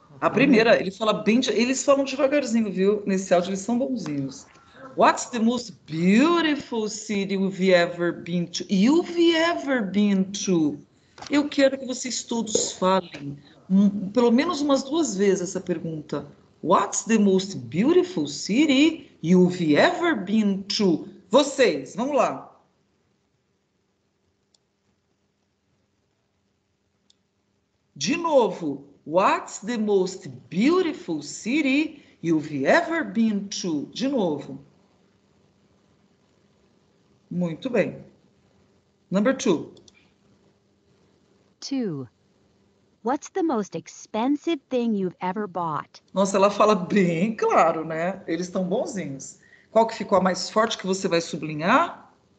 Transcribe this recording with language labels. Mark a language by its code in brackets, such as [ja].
[pt] A primeira, ele fala bem, eles falam devagarzinho, viu? Nesse áudio eles são bonzinhos. [en] What's the most beautiful city you've ever been to? You've ever been to? [pt] Eu quero que vocês todos falem pelo menos umas duas vezes essa pergunta. [en] What's the most beautiful city you've ever been to? [pt] Vocês, vamos lá. De novo. [en] What's the most beautiful city you've ever been to? [pt] De novo. Muito bem. [en] Number two. Two. What's the most expensive thing you've ever bought? [pt] Nossa, ela fala bem claro, né? Eles estão bonzinhos. Qual que ficou a mais forte que você vai sublinhar?